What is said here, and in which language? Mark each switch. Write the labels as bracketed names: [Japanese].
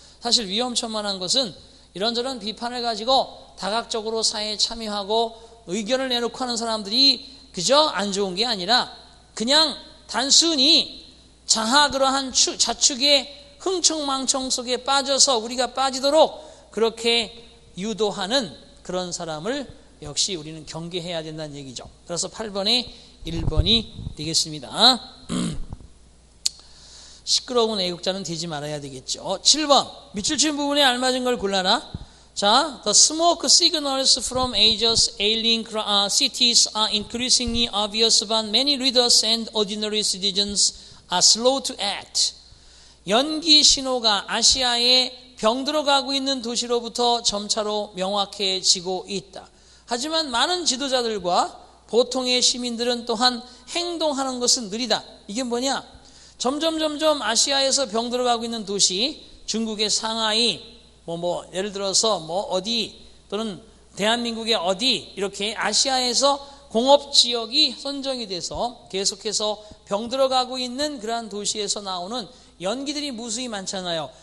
[Korean] 사실 위험천만한 것은 이런저런 비판을 가지고 다각적으로 사회에 참여하고 의견을 내놓고 하는 사람들이 그저 안 좋은 게 아니라 그냥 단순히 자하 그러한 자축의 흥청망청 속에 빠져서 우리가 빠지도록 그렇게 유도하는 그런 사람을 역시 우리는 경계해야 된다는 얘기죠. 그래서 8번에 1번이 되겠습니다. 시끄러운 애국자는 되지 말아야 되겠죠. 7번, 밑줄 친 부분에 알맞은 걸 골라라. [English] 자, The smoke signals from Asia's ailing cities are increasingly obvious, but many readers and ordinary citizens are slow to act. [Korean] 연기 신호가 아시아에 병들어가고 있는 도시로부터 점차로 명확해지고 있다. 하지만 많은 지도자들과 보통의 시민들은 또한 행동하는 것은 느리다. 이게 뭐냐? 점점 아시아에서 병들어가고 있는 도시, 중국의 상하이, 예를 들어서 어디 또는 대한민국의 어디, 이렇게 아시아에서 공업지역이 선정이 돼서 계속해서 병들어가고 있는 그러한 도시에서 나오는 연기들이 무수히 많잖아요.